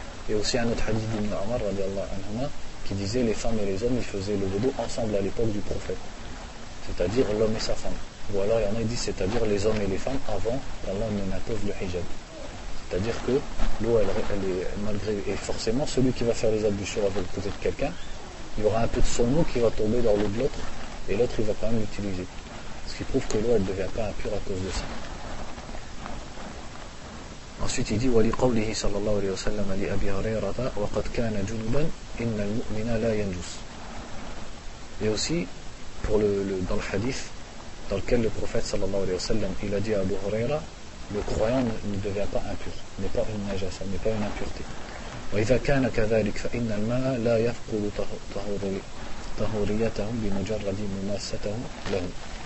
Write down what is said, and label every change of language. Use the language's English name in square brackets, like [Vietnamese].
[French] Et aussi un autre hadith d'Ibn Omar radiallahu anhu qui disait les femmes et les hommes ils faisaient le wudu ensemble à l'époque du prophète, c'est-à-dire l'homme et sa femme, ou alors il y en a qui disent c'est-à-dire les hommes et les femmes avant qu'Allah ne n'impose le hijab, c'est-à-dire C'est-à-dire que l'eau, elle est malgré. Et forcément, celui qui va faire les ablutions avec le côté de quelqu'un, il y aura un peu de son eau qui va tomber dans l'eau de l'autre, et l'autre, il va quand même l'utiliser. Ce qui prouve que l'eau, elle ne devient pas impure à cause de ça. Ensuite, il dit [Arabic] وَلِقَوْلِهِ صَلَى اللَّهُ عَلَيْهِ وَسَلَّمَ لِأَبِي هُرَيْرَةَ وَقَدْ كَانَ جُنُوبًا إِنَّ الْمُؤْمِنَ لَا يَنْجُسُ. [French] Et aussi, pour dans le hadith, dans lequel le prophète sallallahu alayhi wa sallam, il a dit à Abu Huraira, le croyant ne devient pas impur, n'est pas une najasa, n'est pas une impureté. [Arabic] وَإِذَا كَانَ كَذَلِكَ فَإِنَّ الْمَاءَ لَا يَفْقُدُ طَهُورِيَّتَهُ بِمُجَرَّدِ مُمَاسَّتَهُ لَهُ.